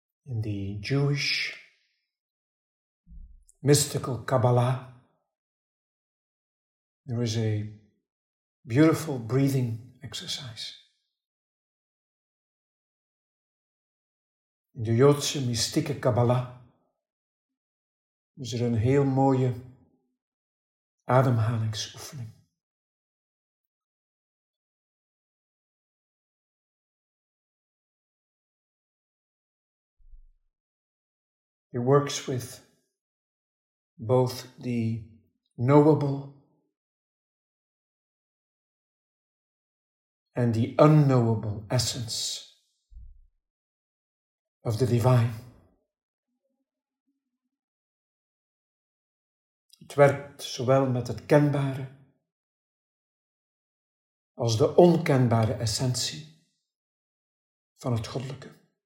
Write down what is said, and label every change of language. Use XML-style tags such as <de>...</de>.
<en>In the Jewish mystical Kabbalah, there is a beautiful breathing exercise.</en> <nl>In de Joodse mystieke Kabbalah is er een heel mooie ademhalingsoefening.</nl> <en>It works with both the knowable and the unknowable essence of the divine.</en> <nl>Het werkt zowel met het kenbare als de onkenbare essentie van het goddelijke.</nl>